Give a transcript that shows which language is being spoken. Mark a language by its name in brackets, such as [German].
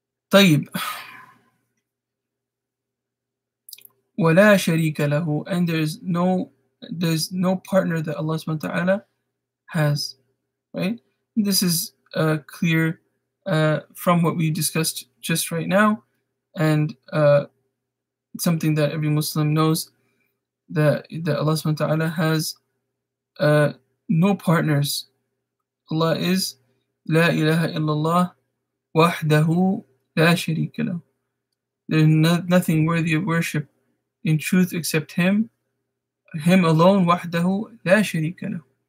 [Arabic] طيب ولا شريك له, [English] and there's no partner that Allah subhanahu wa ta'ala has, right? This is clear from what we discussed just right now, and something that every Muslim knows, that Allah subhanahu wa ta'ala has no partners. Allah is [Arabic] لا إله إلا الله وحده لا شريك له. [English] There's nothing worthy of worship in truth except Him. Him alone, [Arabic] وحده لا شريك له.